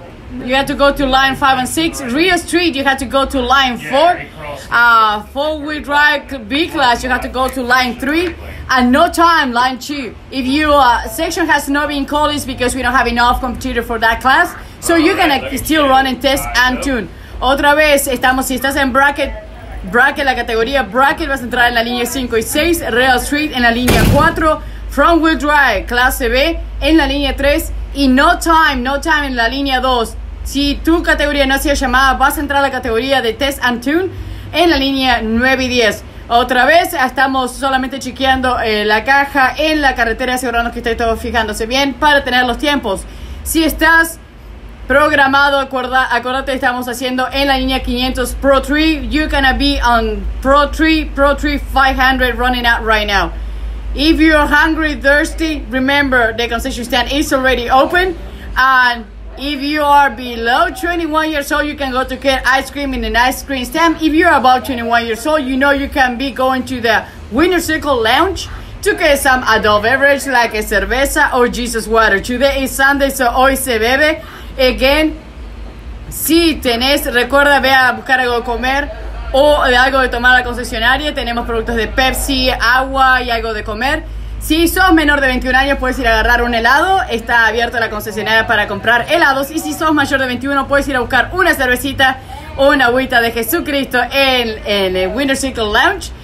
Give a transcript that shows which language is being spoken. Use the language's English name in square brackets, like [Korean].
[English] You have to go to line 5 and 6. Rear street, you have to go to line 4. Four-wheel drive B-class, you have to go to line 3. And no time, line 2. If your section has not been called, it's because we don't have enough computer for that class. So you can still run and test and tune. [Spanish] Otra vez, estamos, si estás en bracket, la categoría bracket, vas a entrar en la línea 5 y 6. Rear street en la línea 4. Front-wheel drive, clase B, en la línea 3. Y no time, no time en la línea 2. Si tu categoría no ha sido llamada, vas a entrar a la categoría de test and tune en la línea 9 y 10. Otra vez, estamos solamente chequeando la caja en la carretera, asegurando que esté todo fijándose bien para tener los tiempos. Si estás programado, acuérdate, estamos haciendo en la línea 500 Pro 3. [English] You're gonna be on Pro 3 500 running out right now. If you're hungry, thirsty, remember the concession stand is already open. And if you are below 21 years old, you can go to get ice cream in an ice cream stand. If you're above 21 years old, you know you can be going to the Winner Circle Lounge to get some adult beverage like a cerveza or Jesus water. Today is Sunday, so hoy se bebe. [Spanish] Again, si tenés, recuerda, ve a buscar algo de comer o de algo de tomar a la concesionaria. Tenemos productos de Pepsi, agua y algo de comer. Si sos menor de 21 años, puedes ir a agarrar un helado. Está abierta la concesionaria para comprar helados. Y si sos mayor de 21, puedes ir a buscar una cervecita o una agüita de Jesucristo en el Winter Circle Lounge.